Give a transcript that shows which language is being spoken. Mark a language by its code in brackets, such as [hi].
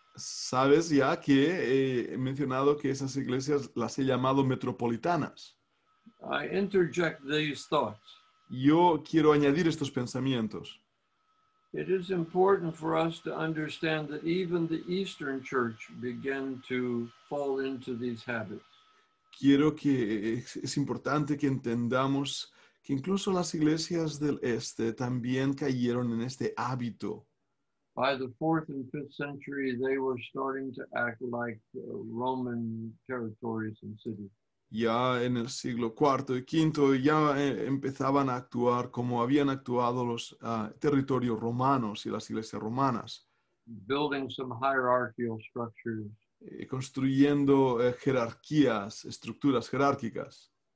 [es] Sabes ya que he mencionado que esas iglesias las he llamado metropolitanas. [en] I interject these thoughts. [es] Yo quiero añadir estos pensamientos. [en] It is important for us to understand that even the Eastern Church began to fall into these habits. [es] Quiero que es importante que entendamos que incluso las iglesias del este también cayeron en este hábito. [en] By the 4th and 5th century, they were starting to act like Roman territories and cities. [es] ya en el siglo IV y V ya empezaban a actuar como habían actuado los territorios romanos y las iglesias romanas. [en] Building some hierarchical structures. [es] Construyendo jerarquías, estructuras jerárquicas.